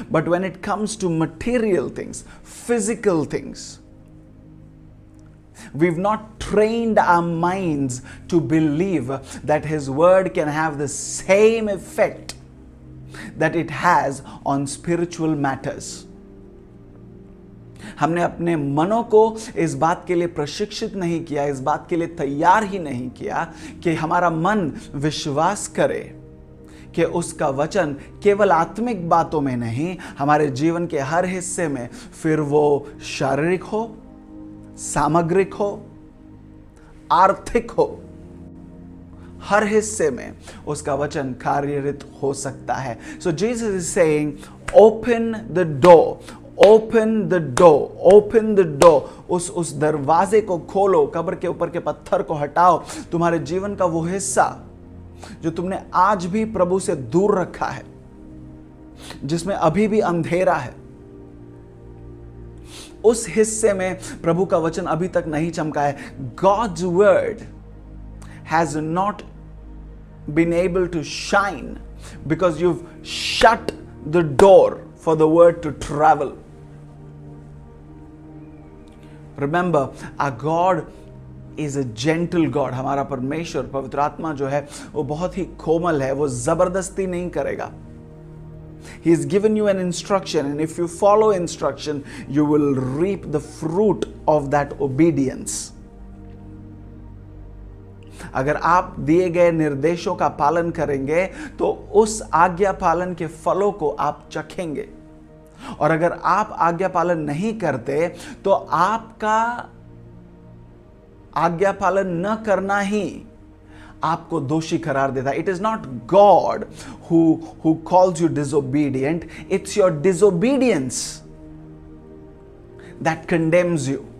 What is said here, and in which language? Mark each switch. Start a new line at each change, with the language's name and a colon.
English: But when it comes to material things, physical things, we've not trained our minds to believe that His word can have the same effect that it has on spiritual matters.
Hindi: हमने अपने मनों को इस बात के लिए प्रशिक्षित नहीं किया, इस बात के लिए तैयार ही नहीं किया कि हमारा मन विश्वास करे कि उसका वचन केवल आत्मिक बातों में नहीं, हमारे जीवन के हर हिस्से में, फिर वो शारीरिक हो, सामग्रिक हो, आर्थिक हो, हर हिस्से में उसका वचन कार्यरत हो सकता है.
English: So Jesus is saying, open the door, open the door, open the door.
Hindi: उस दरवाजे को खोलो, कब्र के ऊपर के पत्थर को हटाओ. तुम्हारे जीवन का वो हिस्सा जो तुमने आज भी प्रभु से दूर रखा है, जिसमें अभी भी अंधेरा है, उस हिस्से में प्रभु का वचन अभी तक नहीं चमका है.
English: God's word has not been able to shine because you've shut the door for the word to travel. Remember, our God is a gentle God.
Hindi: हमारा परमेश्वर पवित्र आत्मा जो है वो बहुत ही कोमल है, वो जबरदस्ती नहीं करेगा.
English: He has given you an instruction, and if you follow instruction, you will reap the fruit of that obedience.
Hindi: अगर आप दिए गए निर्देशों का पालन करेंगे तो उस आज्ञा पालन के फलों को आप चखेंगे, और अगर आप आज्ञा पालन नहीं करते तो आपका आज्ञा पालन न करना ही आपको दोषी करार देता है.
English: It is not God who calls you disobedient, it's your disobedience that condemns you.